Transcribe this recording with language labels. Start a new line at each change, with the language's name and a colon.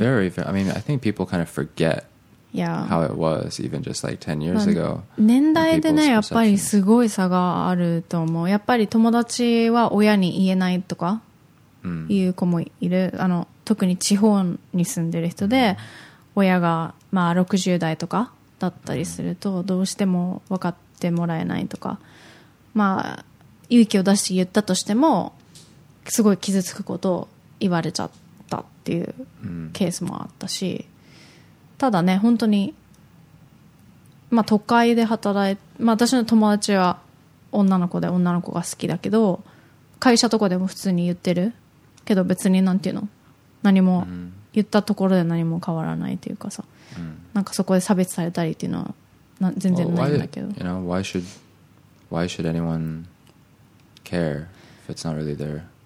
English: Very, very, I mean I think people kind of forget Yeah. How it was even just like 10 years ago.
Japanese: 年代でねやっぱりすごい差があると思う。やっぱり友達は親に言えないとかいう子もいる、mm. あの特に地方に住んでる人で、mm. 親がまあ60代とかだったりするとどうしても分かってもらえないとか、まあ勇気を出して言ったとしてもすごい傷つくことを言われちゃったっていうケースもあったし、ただね本当に、まあ、都会で働いて、まあ、私の友達は女の子で女の子が好きだけど会社とかでも普通に言ってるけど別になんていうの何も言ったところで何も変わらないというかさ、うん、なんかそこで差別されたりっていうのは全然ないんだけど、
English: well, why should anyone care if it's not really their